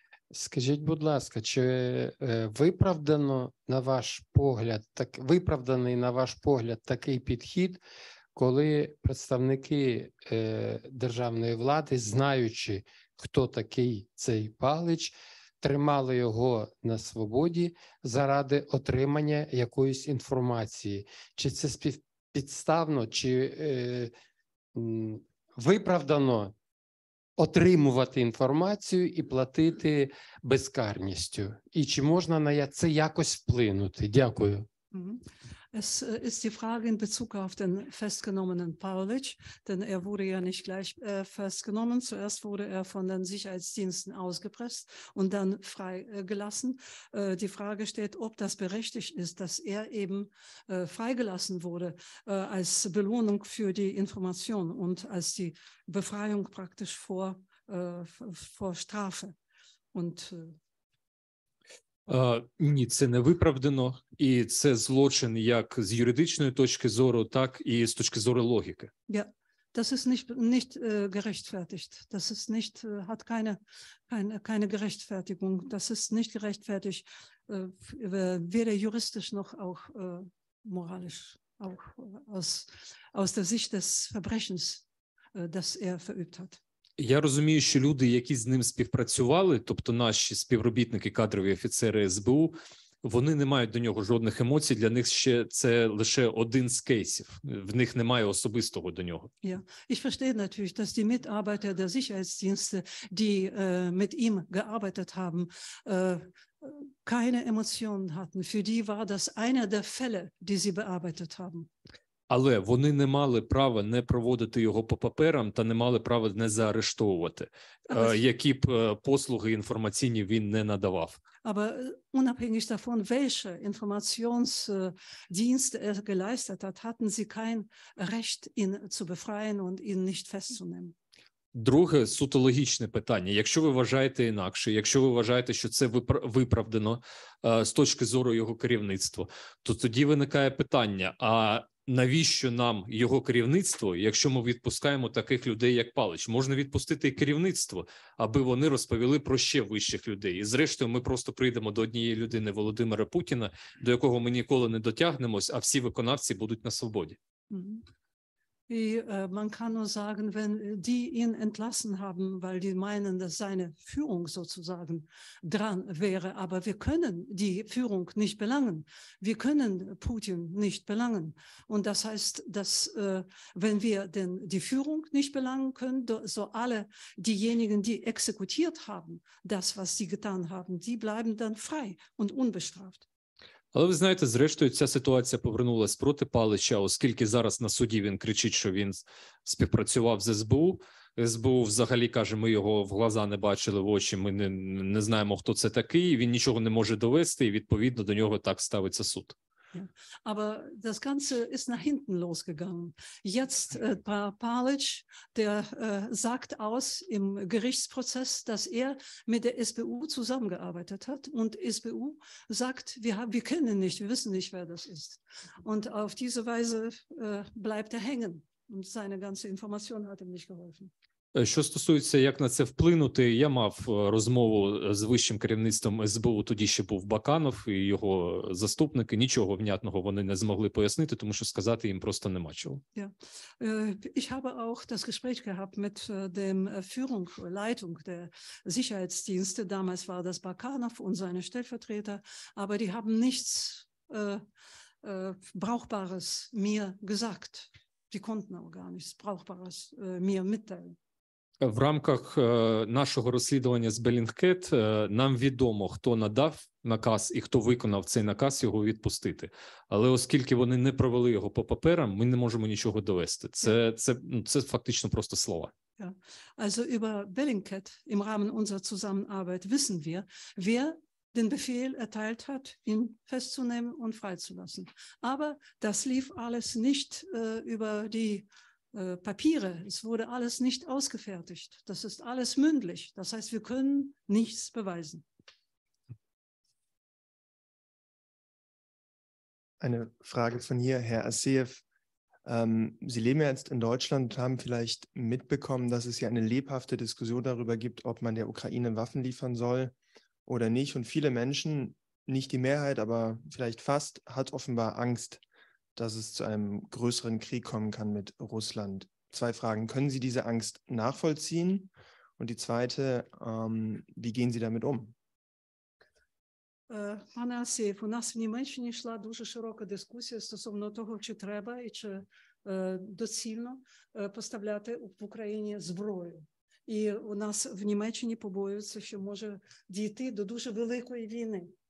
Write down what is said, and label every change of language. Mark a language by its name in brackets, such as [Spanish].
[Ukrainian] Скажіть, будь ласка, чи виправдано на ваш погляд, так виправданий на ваш погляд такий підхід, коли представники державної влади, знаючи, хто такий цей Палич, тримали його на свободі заради отримання якоїсь інформації? Чи це підставно, чи виправдано отримувати інформацію і платити безкарністю? І чи можна на це якось вплинути? Дякую. [German] Es ist die Frage in Bezug auf den festgenommenen Palic, denn er wurde ja nicht gleich festgenommen. Zuerst wurde er von den Sicherheitsdiensten ausgepresst und dann freigelassen. Die Frage steht, ob das berechtigt ist, dass er eben freigelassen wurde als Belohnung für die Information und als die Befreiung praktisch vor Strafe. Und [Ukrainian] Ні, це не виправдано, і це злочин як з юридичної точки зору, так і з точки зору логіки. [German] Ja, das ist nicht gerechtfertigt. Das ist nicht hat keine Gerechtfertigung. Das ist nicht gerechtfertigt, weder juristisch noch auch moralisch, auch aus der Sicht des Verbrechens, das er verübt hat. [Ukrainian] Я розумію, що люди, які з ним співпрацювали, тобто наші співробітники, кадрові офіцери СБУ, вони не мають до нього жодних емоцій, для них ще це лише один з кейсів. В них немає особистого до нього. [German] Ja, ich verstehe natürlich, dass die Mitarbeiter der Sicherheitsdienste, die mit ihm gearbeitet haben, keine Emotionen hatten. Für die war das einer der Fälle, die sie bearbeitet haben. [Ukrainian] Але вони не мали права не проводити його по паперам та не мали права не заарештовувати, які б послуги інформаційні він не надавав. [German] Aber unabhängig davon, welche Informationsdienste er geleistet hat, hatten sie kein Recht, ihn zu befreien und ihn nicht festzunehmen. [Ukrainian] Друге, суто логічне питання. Якщо ви вважаєте інакше, якщо ви вважаєте, що це виправдано з точки зору його керівництва, то тоді виникає питання, а навіщо нам його керівництво, якщо ми відпускаємо таких людей, як Палич? Можна відпустити і керівництво, аби вони розповіли про ще вищих людей. І зрештою ми просто прийдемо до однієї людини, Володимира Путіна, до якого ми ніколи не дотягнемось, а всі виконавці будуть на свободі. [German] І man kann nur sagen, wenn die ihn entlassen haben, weil die meinen, dass seine Führung sozusagen dran wäre, aber wir können die Führung nicht belangen. Wir können Putin nicht belangen. Und das heißt, dass wenn wir denn die Führung nicht belangen können, so alle diejenigen, die exekutiert haben, das, was sie getan haben, die bleiben dann frei und unbestraft. [Ukrainian] Але ви знаєте, зрештою ця ситуація повернулася проти Палича, оскільки зараз на суді він кричить, що він співпрацював з СБУ. СБУ взагалі каже, ми його в глаза не бачили, в очі, ми не знаємо, хто це такий, він нічого не може довести, і відповідно до нього так ставиться суд. [German] Aber das Ganze ist nach hinten losgegangen. Jetzt Palic, der sagt aus im Gerichtsprozess, dass er mit der SBU zusammengearbeitet hat. Und SBU sagt, wir kennen ihn nicht, wir wissen nicht, wer das ist. Und auf diese Weise bleibt er hängen. Und seine ganze Information hat ihm nicht geholfen. [Ukrainian] Що стосується, як на це вплинути, я мав розмову з вищим керівництвом СБУ, тоді ще був Баканов і його заступники, нічого внятного вони не змогли пояснити, тому що сказати їм просто нема чого. [German] Ja. Ich habe auch das Gespräch gehabt mit dem Leitung der Sicherheitsdienste, damals war das Баканов und seine Stellvertreter, aber die haben nichts Brauchbares mir gesagt, die konnten auch gar nichts Brauchbares mir mitteilen. [Ukrainian] В рамках нашого розслідування з Bellingcat нам відомо, хто надав наказ і хто виконав цей наказ його відпустити. Але оскільки вони не провели його по паперам, ми не можемо нічого довести. Це фактично просто слова. [German] Ja. Also über Bellingcat im Rahmen unserer Zusammenarbeit wissen wir, wer den Befehl erteilt hat, ihn festzunehmen und freizulassen. Aber das lief alles nicht über die Papiere, es wurde alles nicht ausgefertigt. Das ist alles mündlich. Das heißt, wir können nichts beweisen. Eine Frage von hier, Herr Asseev. Sie leben ja jetzt in Deutschland und haben vielleicht mitbekommen, dass es hier eine lebhafte Diskussion darüber gibt, ob man der Ukraine Waffen liefern soll oder nicht. Und viele Menschen, nicht die Mehrheit, aber vielleicht fast, hat offenbar Angst, dass es zu einem größeren Krieg kommen kann mit Russland. Zwei Fragen. Können Sie diese Angst nachvollziehen? Und die zweite, wie gehen Sie damit um? [Ukrainian] Пане Асєв, у нас в Німеччині йшла дуже широка дискусія стосовно того, чи треба і чи доцільно поставляти в Україні зброю. І у нас в Німеччині побоюються, що може дійти до дуже великої війни.